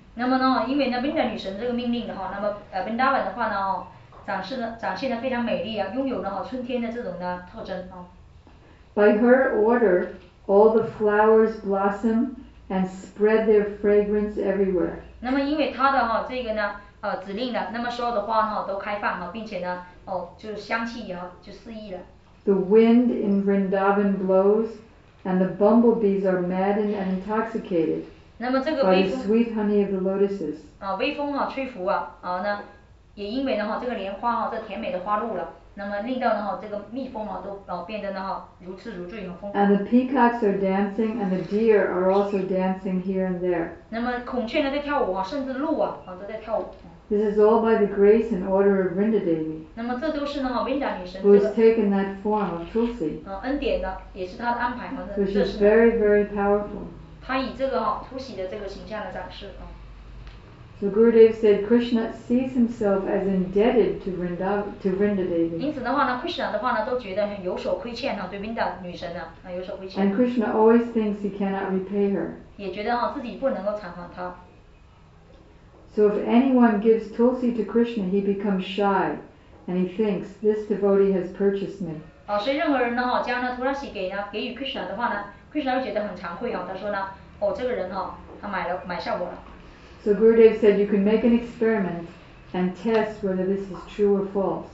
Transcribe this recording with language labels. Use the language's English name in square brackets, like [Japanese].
[Chinese] 那么呢，因为呢 ，Vrinda 女神这个命令的话，那么Vrindavan 的话呢，展现的非常美丽啊，拥有了春天的这种呢特征啊。 [English] By her order, all the flowers blossom and spread their fragrance everywhere. [Chinese] 那么因为她的这个呢指令的，那么所有的花都开放并且呢就是香气也就四溢了。 [English] The wind in Vrindavan blows, and the bumblebees are maddened and intoxicated. [Chinese] 那么这个微风。 [English] By the sweet honey of the lotuses. [Chinese] 微风吹拂啊，那。也因为呢这个莲花这甜美的花露了，那么令到呢哈，这个蜜蜂啊都变得呢哈如痴如醉，很疯狂。 [English] And the peacocks are dancing, and the deer are also dancing here and there. [Chinese] 那么孔雀呢在跳舞啊，甚至鹿啊都在跳舞。 [English] This is all by the grace and order of Vrindadevi. [Chinese] 那么这都是呢哈Vrinda女神。 [English] Who has taken that form of Tulsi? [Chinese] 恩典的也是她的安排，反正这是。 [English] Which is very very powerful. [Chinese] 她以这个哈突袭的这个形象来展示啊。 [English] So Gurudev said Krishna sees himself as indebted to Vrindadevi. [Chinese] 因此的话呢 ，Krishna 的话呢都觉得有所亏欠呢，对 Vrinda 女神呢有所亏欠。 [English] And Krishna always thinks he cannot repay her. [Chinese] 也觉得哈自己不能够偿还她。 [English] So if anyone gives Tulsi to Krishna, he becomes shy, and he thinks this devotee has purchased me. [Chinese] 所以任何人呢哈将那 Tulsi 给呢给予 Krishna 的话呢 ，Krishna 会觉得很惭愧啊。他说呢，哦这个人哈他买了买下我了。 [English] So Gurudev said you can make an experiment and test whether this is true or false.